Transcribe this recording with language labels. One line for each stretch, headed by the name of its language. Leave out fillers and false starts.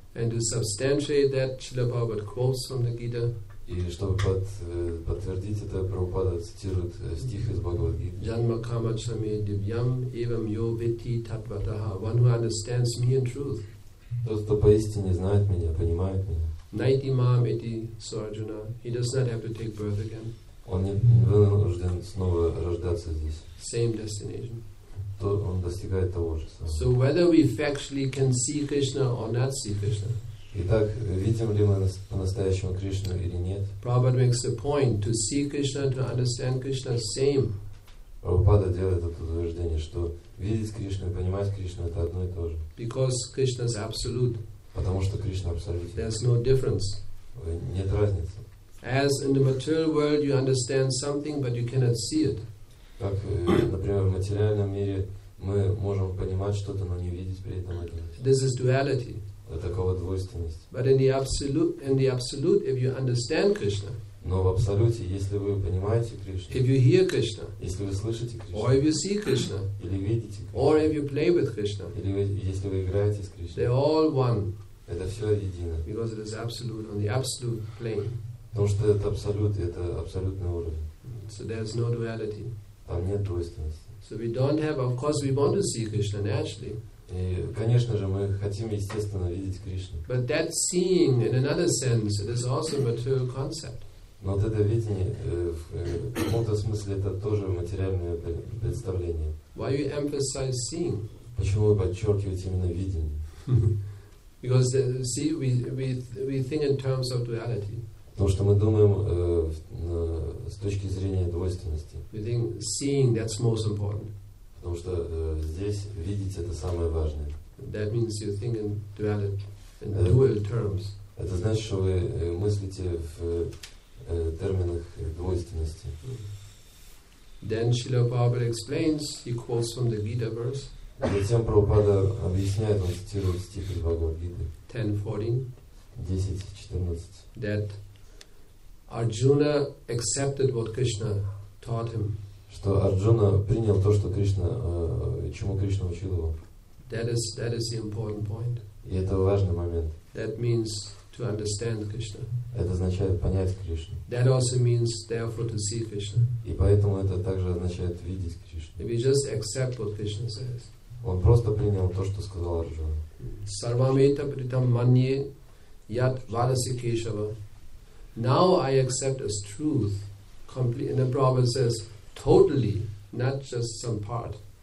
English: And to substantiate that, Srila Prabhupada quotes from the Gita.
Russian: И чтобы подтвердить это, Прабхупада цитирует стих из Бхагавад-гиты.
Sanskrit: Janma kama chame divyam evam yo viti tatvataha.
English: One who understands me in truth.
Russian: Тот, кто поистине знает меня, понимает меня.
Sanskrit: Naiti mam iti sarjuna.
English: He does not have to take birth again.
Russian: Он не вынужден снова рождаться здесь.
English: Same destination.
Russian: То он достигает того же самого.
English: So whether we factually can see Krishna or not see Krishna.
Russian: Итак, видим ли мы по-настоящему Кришну или нет?
English: Prabhupada makes the point to see Krishna, to understand Krishna, same.
Russian: Прабхупада делает это утверждение, что видеть Кришну и понимать Кришну это одно и то же.
English: Because Krishna is absolute.
Russian: Потому что Кришна абсолютен.
English: There's no difference.
Russian: Нет разницы.
English: As in the material world, you understand something, but you cannot see it.
Russian: Как, например, в материальном мире мы можем понимать что-то, но не видеть при этом это.
English: This is duality.
Russian: Такова двойственность.
English: But in the absolute, if you understand Krishna.
Russian: Но в абсолюте, если вы понимаете Кришну.
English: If you hear Krishna.
Russian: Если вы слышите Кришну.
English: Or if you see Krishna.
Russian: Или видите Кришну.
English: Or if you play with Krishna.
Russian: Или если вы играете с Кришной.
English: They're all one.
Russian: Это все едино.
English: Because it is absolute on the absolute plane.
Russian: Потому что это абсолют, это абсолютный уровень.
English: So there's no duality.
Russian: Там нет двойственности.
English: So we don't have, of course, we want to see Krishna naturally.
Russian: И, конечно же, мы хотим естественно видеть Кришну.
English: But that seeing, in another sense, it is also a material concept.
Russian: Но вот это видение, в каком-то смысле, это тоже материальное представление.
English: Why you emphasize seeing?
Russian: Почему вы подчеркиваете именно видение?
English: Because see, we think in terms of duality.
Russian: Потому что мы думаем с точки зрения двойственности.
English: We think seeing, that's most important.
Russian: Потому что здесь видеть это самое важное.
English: That means you think in duality, in dual terms.
Russian: Это значит, что вы мыслите в терминах двойственности.
English: Then Srila Prabhupada explains, he quotes from the Gita verse.
Russian: Затем Прабхупада объясняет, он цитирует стих из Бхагавад-гиты.
English: 10:14. That Arjuna accepted what Krishna taught him.
Russian: Что Арджуна принял то, что Кришна, чему Кришна учил его.
English: That is the important point.
Russian: И это важный момент.
English: That means to understand Krishna.
Russian: Это означает понять Кришну.
English: That also means therefore to see Krishna.
Russian: И поэтому это также означает видеть Кришну.
English: If you just accept what Krishna says.
Russian: Он просто принял то, что сказал Арджуна.
Sanskrit: Sarvameta pritam manye yat varasi keshava.
English: Now I accept as truth completely, and the Prabhupada says totally, not just some part.